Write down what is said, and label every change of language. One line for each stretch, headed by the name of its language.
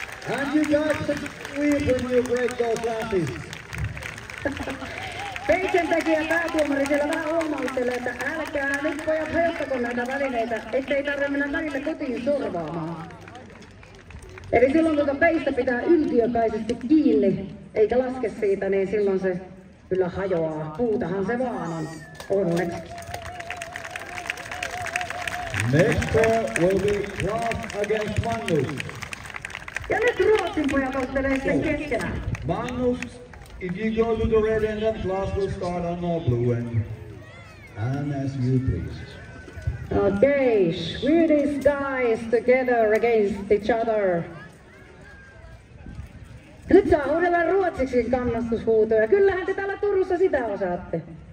English: And you got to sleep when you break those glasses.
Finnish: Peitsen tekijä päätuomari siellä vähän huomauttelee, että älkää nyt pojat hajottako näitä välineitä, ettei tarvitse mennä välillä kotiin survaamaan. Eli silloin kun peistä pitää yltiöpäisesti kiinni, eikä laske siitä, niin silloin se kyllä hajoaa. Puutahan se vaan on, onneksi.
English: Next pair will be Klaus against Magnus.
Finnish: Ja nyt Ruotsin pojat ottelee sitten keskenään.
English: Magnus, if you go to the red end, then Klaus will start on the blue end. And as you please. Okay, Swedish guys together against each other.
Finnish: Nyt saa huudella ruotsiksi kannastushuutoja. Kyllähän te täällä Turussa sitä osaatte.